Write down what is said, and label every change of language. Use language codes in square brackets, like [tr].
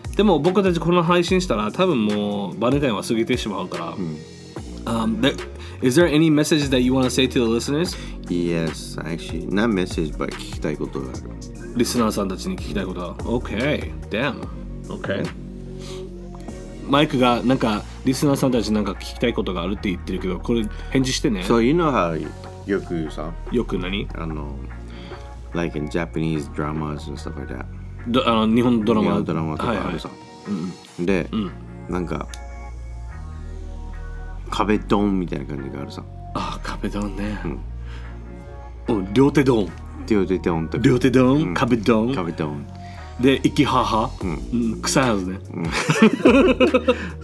[ja] でも僕たちこの配信したら多分もうバレンタインは過ぎてしまうから、うん、 [en] Is there any message that you want to say to the listeners? Yes, actually, not message, but [ja] 聞きたいことがある。リスナーさんたちに聞きたいこと。 [en] Okay, damn. Okay. [ja] マイクがなんかリスナーさんたちなんか聞きたいことがあるって言ってるけど、これ返事してね。 [en] So you know how [ja] よくさ、よく何？ [en] あの、like in Japanese dramas and stuff like that。 [ja] あの日本ドラマ。日本ドラマとかあるさ。はいはい、で、うん、なんか。壁ドンみたいな感じがあるさ。あ、壁ドンね、うん、お両手ドン、両手ドンと両手ドン、うん、壁ドン、壁ドンで息はは、うんうん、臭いはずね、うん、